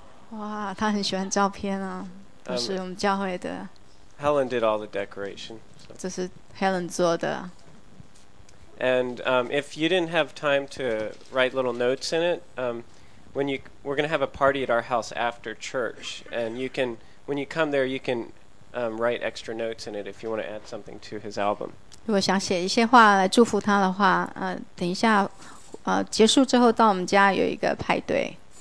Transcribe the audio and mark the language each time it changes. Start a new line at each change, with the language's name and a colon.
Chinese: 哇，他很喜欢照片啊，都是我们教会的。
English: Helen did all the decoration.、So.
Chinese: 这是 Helen 做的。
English: And if you didn't have time to write little notes in it, we're going to have a party at our house after church, and you can when you come there, you can write extra notes in it if you want to add something to his album.
Chinese: 如果想写一些话来祝福他的话，等一下结束之后到我们家有一个派对。